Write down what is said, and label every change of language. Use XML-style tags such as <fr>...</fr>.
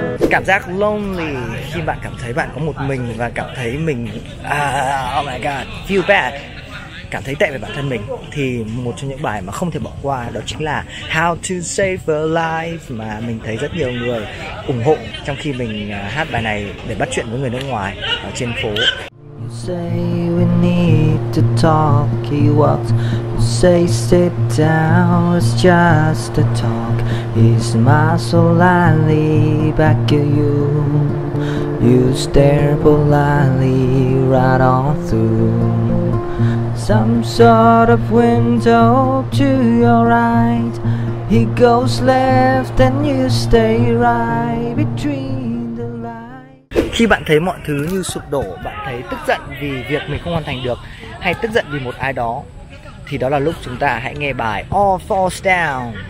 <vi>Cảm giác lonely khi bạn cảm thấy bạn có một mình và cảm thấy mình</vi> <en>oh my god, feel bad,</en> <vi>cảm thấy tệ về bản thân mình, thì một trong những bài mà không thể bỏ qua đó chính là How to Save a Life, mà mình thấy rất nhiều người ủng hộ trong khi mình hát bài này để bắt chuyện với người nước ngoài ở trên phố.</vi> <en>You say we need to talk, he walks. You say sit down, it's just a talk. His smile so lightly back at you. You stare politely right on through. Some sort of window to your right. He goes left and you stay right between.</en> <vi>Khi bạn thấy mọi thứ như sụp đổ, bạn thấy tức giận vì việc mình không hoàn thành được, hay tức giận vì một ai đó, thì đó là lúc chúng ta hãy nghe bài All Falls Down.</vi>